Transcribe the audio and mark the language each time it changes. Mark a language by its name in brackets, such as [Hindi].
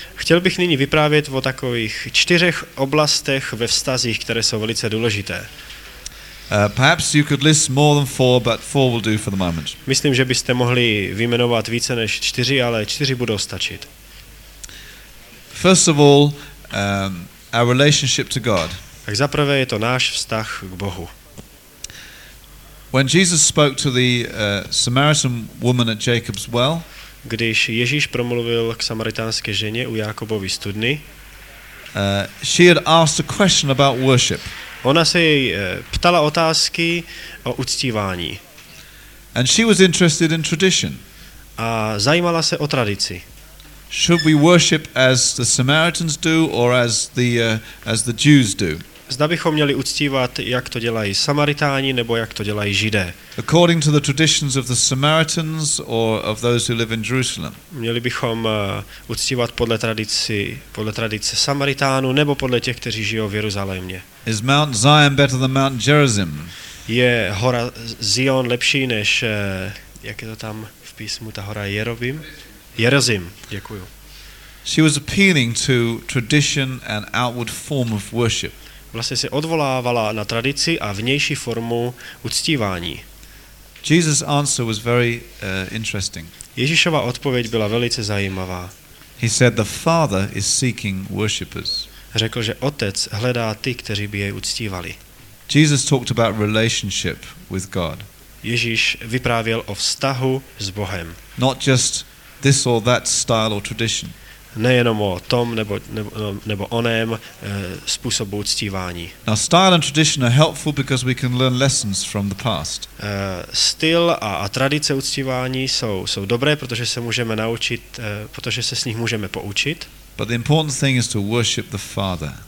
[Czech] Chtěl bych nyní vyprávět o takových čtyřech oblastech ve vztazích, které jsou velice důležité. [English] Perhaps you could list more than four, but four will do for the moment. [Czech] Myslím, že byste mohli vyjmenovat více než čtyři, ale čtyři budou stačit. [English] First of all, our relationship to God. [Czech] Tak za prvé je to náš vztah k Bohu. [English] When Jesus spoke to the Samaritan woman at Jacob's well, [Czech] když Ježíš promluvil k samaritánské ženě u Jákobovy studny, [English] she had asked a question about worship. [Czech] Ona se jej ptala otázky o uctívání. [English] And she was interested in tradition. [Czech] A zajímala se o tradici. [English] Should we worship as the Samaritans do or as the Jews do? [Czech] Zda bychom měli uctívat, jak to dělají Samaritáni nebo jak to dělají Židé. [English] According to the traditions of the Samaritans or of those who live in Jerusalem. [Czech] Měli bychom uctívat podle tradice Samaritánů nebo podle těch, kteří žijou v Jeruzalémě. [English] Is Mount Zion better than Mount Gerizim? [Czech] Je hora Zion lepší než jak je to tam v písmu ta hora Jerovim? Jerozim, děkuju. [English] She was appealing to tradition and outward form of worship. [Czech] Vlastně se odvolávala na tradici a vnější formu uctívání. [English] Jesus' answer was very interesting. [Czech] Ježíšova odpověď byla velice zajímavá. [English] He said the Father is seeking worshippers. [Czech] Řekl, že Otec hledá ty, kteří by jej uctívali. [English] Jesus talked about relationship with God. [Czech] Ježíš vyprávěl o vztahu s Bohem. [English] Not just this or that style or tradition. [Czech] Nejenom o tom nebo onem způsobu uctívání. [English] Now style and tradition are helpful because we can learn lessons from the past. [Czech] Styl a tradice uctívání jsou dobré, protože se můžeme naučit, protože se s nich můžeme poučit. [English] But the important thing is to worship the Father.